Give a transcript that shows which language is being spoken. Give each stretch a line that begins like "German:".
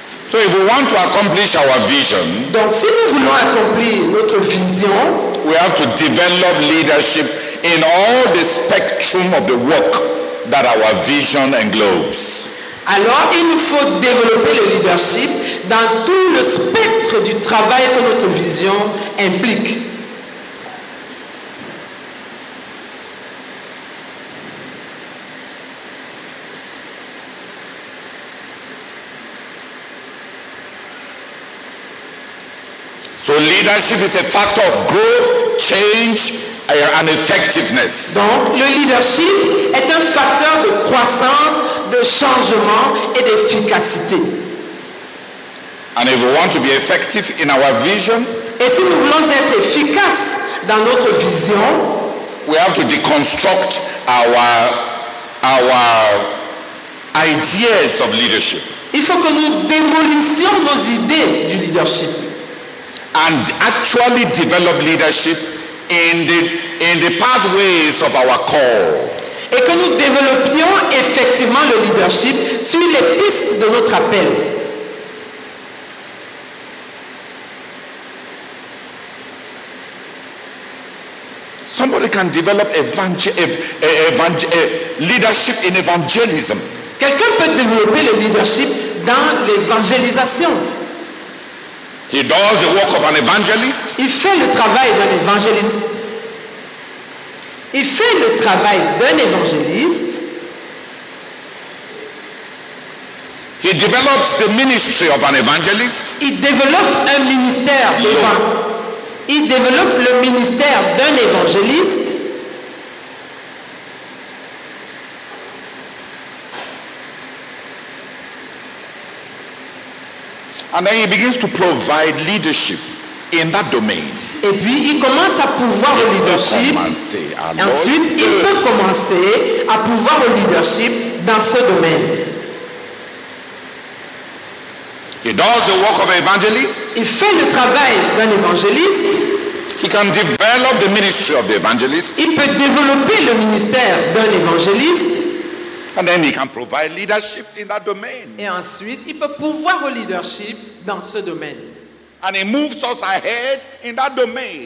English: So if we want to accomplish our vision,
French: donc si nous voulons accomplir notre vision,
English: we have to develop leadership in all the spectrum of the work that our vision englobes.
French: Alors il nous faut développer le leadership dans tout le spectre du travail que notre vision implique.
English: So leadership is a factor of growth, change, and effectiveness.
French: Donc, le leadership est un facteur de croissance, de changement et d'efficacité.
English: And if we want to be effective in our vision,
French: et si nous voulons être efficaces dans notre vision,
English: we have to deconstruct our ideas of leadership.
French: Il faut que nous démolissions nos idées du leadership.
English: And actually develop leadership in the pathways of our call.
French: Et que nous développions effectivement le leadership sur les pistes de notre appel.
English: Somebody can develop leadership in evangelism.
French: Quelqu'un peut développer le leadership dans l'évangélisation.
English: He does the work of an evangelist.
French: Il fait le travail d'un évangéliste. Il fait le travail d'un évangéliste.
English: He develops the ministry of an evangelist.
French: Il développe un ministère de l'évangéliste. Il développe le ministère d'un évangéliste.
English: And then he begins to provide leadership in that domain.
French: Et puis il commence à pouvoir le leadership. Ensuite, il peut commencer à pouvoir le leadership dans ce domaine.
English: He does the work of an evangelist.
French: Il fait le travail d'un évangéliste.
English: He can develop the ministry of the evangelist.
French: Il peut développer le ministère d'un évangéliste.
English: And then he can provide leadership in that domain.
French: Et ensuite, il peut pourvoir au leadership dans ce domaine.
English: And he moves us ahead in that domain.